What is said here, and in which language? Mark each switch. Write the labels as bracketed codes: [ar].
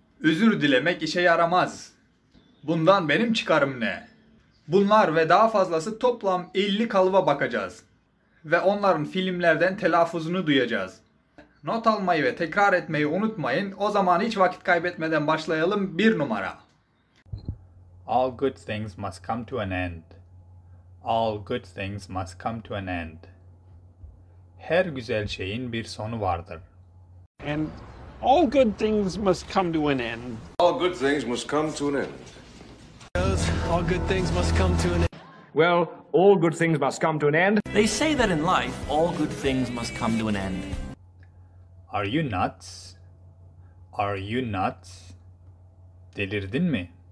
[tr] Özür dilemek işe yaramaz. Bundan benim çıkarım ne? Bunlar ve daha fazlası toplam 50 kalıba bakacağız. Ve onların filmlerden telaffuzunu duyacağız. Not almayı ve tekrar etmeyi unutmayın. O zaman hiç vakit kaybetmeden başlayalım. Bir numara. [en] All good things must come to an end. All good things must come to an end. [tr] Her güzel şeyin bir sonu vardır. [en] And all good things must come to an end. All good things must come to an end. All good things must come to an end. Well, all good things must come to an end. They say that in life, all good things must come to an end. Are you nuts? Are you nuts? [tr] Delirdin mi?